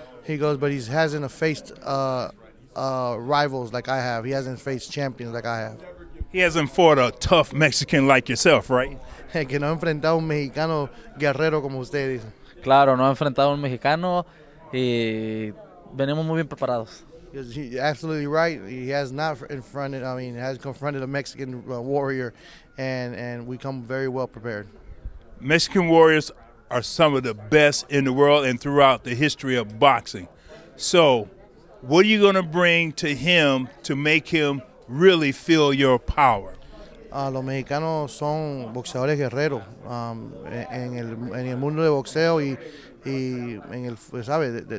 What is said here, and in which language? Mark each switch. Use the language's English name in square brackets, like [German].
[English] He goes, but he hasn't faced rivals like I have. He hasn't faced champions like I have. He hasn't fought a tough Mexican like yourself, right? [Spanish] Que no ha enfrentado un mexicano guerrero como usted dice. Claro, no ha enfrentado un mexicano y venimos muy bien preparados. [English] You're absolutely right. He has not confronted a Mexican warrior, and we come very well prepared. Mexican warriors are some of the best in the world and throughout the history of boxing. So, what are you going to bring to him to make him really feel your power? [Spanish] Los mexicanos son boxeadores guerreros en el mundo de boxeo y en el, ¿sabe?